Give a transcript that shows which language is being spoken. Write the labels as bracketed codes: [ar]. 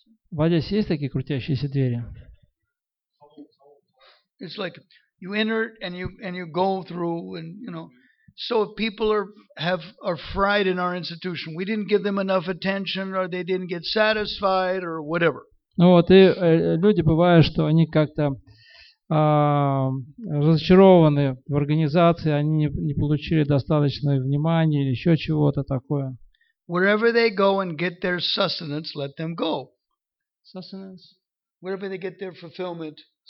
[ru] В Одессе есть такие крутящиеся двери? [en] It's like you enter and you go through and you know. So people are fried in our institution. We didn't give them enough attention, or they didn't get satisfied, or whatever. [ru] Ну вот и люди бывают, что они как-то разочарованы в организации, они не получили достаточное внимание или еще чего-то такое. [en] Wherever they go and get their sustenance, let them go. Sustenance. Wherever they get their fulfillment.